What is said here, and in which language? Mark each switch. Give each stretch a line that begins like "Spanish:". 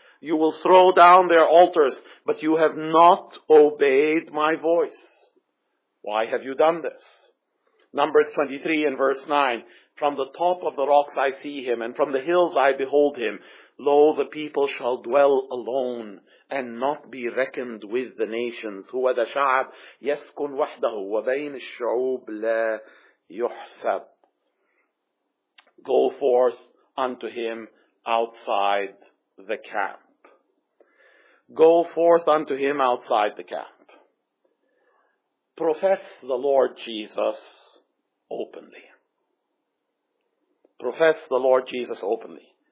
English: You will throw down their altars, but you have not obeyed my voice. Why have you done this? Numbers 23 and verse 9, from the top of the rocks I see him, and from the hills I behold him. Lo, the people shall dwell alone, and not be reckoned with the nations.
Arabic: هو ذا شعب يسكن وحده وبين الشعوب لا يحسب.
English: Go forth unto him outside the camp. Go forth unto him outside the camp. Profess the Lord Jesus openly. Profess the Lord Jesus openly.